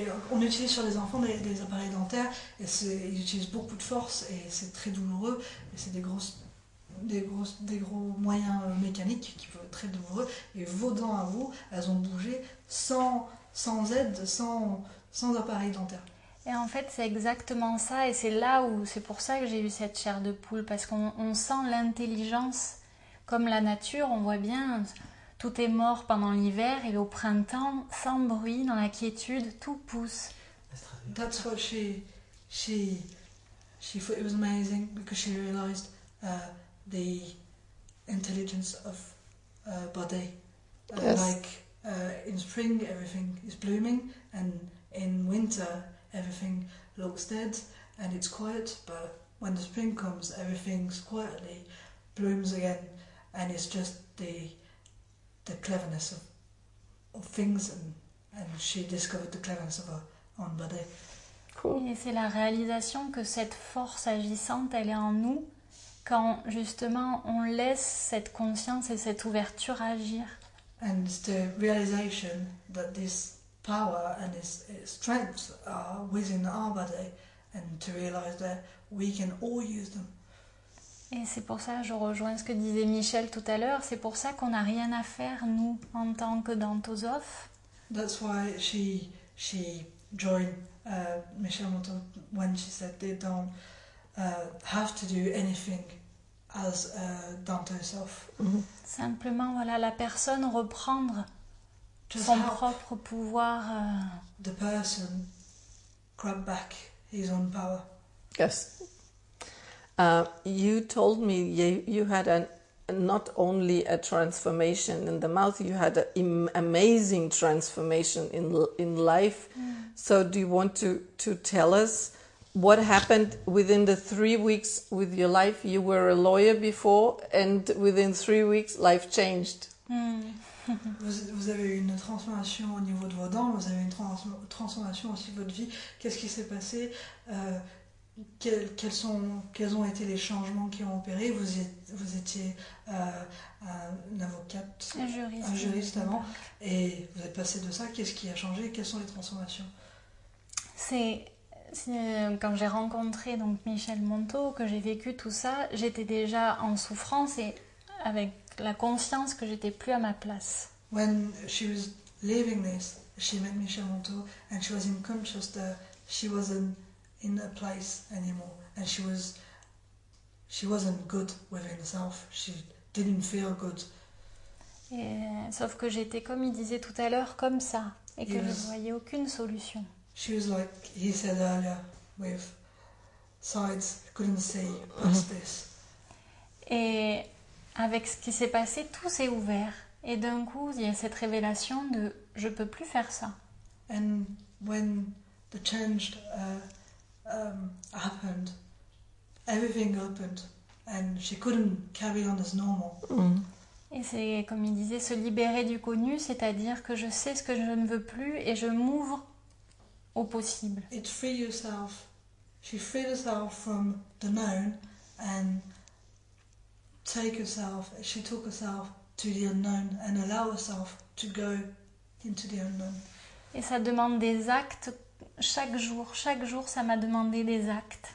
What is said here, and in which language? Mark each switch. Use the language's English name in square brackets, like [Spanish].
[French] On utilise sur les enfants des appareils dentaires et ils utilisent beaucoup de force et c'est très douloureux et c'est des gros moyens mécaniques qui peuvent être très douloureux et vos dents à vous elles ont bougé sans aide, sans appareil dentaire. Et en fait, c'est exactement ça, et c'est là où c'est pour ça que j'ai eu cette chair de poule, parce qu'on sent l'intelligence comme la nature. On voit bien, tout est mort pendant l'hiver et au printemps, sans bruit, dans la quiétude, tout pousse. [English] That's what she thought it was amazing because she realized the intelligence of body, yes. Like in spring, everything is blooming and in winter, everything looks dead and it's quiet, but when the spring comes, everything's quietly blooms again, and it's just the cleverness of things, and she discovered the cleverness of her own body. Cool. [French] Et c'est la réalisation que cette force agissante, elle est en nous, quand justement on laisse cette conscience et cette ouverture agir. [English] And the realization that this power and this strength are within our body, and to realize that we can all use them. [French] Et c'est pour ça, je rejoins ce que disait Michel tout à l'heure, c'est pour ça qu'on n'a rien à faire, nous, en tant que d'Antosov. [English] That's why she joined Michel Montand when she said they don't have to do anything as d'Antosov. Mm-hmm. [French] Simplement, voilà, la personne reprendre just son propre pouvoir. [English] The person grab back his own power. Yes. You told me you had not only a transformation in the mouth, you had an amazing transformation in life. Mm. So do you want to tell us what happened within the 3 weeks with your life? You were a lawyer before, and within 3 weeks, life changed. [French] Vous avez eu une transformation au niveau de vos dents, vous avez une transformation aussi de votre vie. Qu'est-ce qui s'est passé? Quels ont été les changements qui ont opéré? Vous étiez un avocat, un juriste avant, et vous êtes passé de ça. Qu'est-ce qui a changé? Quelles sont les transformations? C'est quand j'ai rencontré donc Michel Montand que j'ai vécu tout ça. J'étais déjà en souffrance et avec la conscience que j'étais plus à ma place. [English] When she was leaving this, she met Michel Montand and she was unconscious that she wasn't in a place anymore, and she wasn't good within herself. She didn't feel good. [French] Sauf que j'étais comme il disait tout à l'heure, comme ça, et que je ne voyais aucune solution. [English] She was like he said earlier, with sides couldn't see past this. [French] Et avec ce qui s'est passé, tout s'est ouvert, et d'un coup, il y a cette révélation de je peux plus faire ça. [English] And when the change happened, everything opened, and she couldn't carry on as normal. [French] Et c'est comme il disait, se libérer du connu, c'est-à-dire que je sais ce que je ne veux plus et je m'ouvre au possible. [English] It freed herself. She freed herself from the known and took herself to the unknown and allow herself to go into the unknown. [French] Et ça demande des actes. Chaque jour, ça m'a demandé des actes.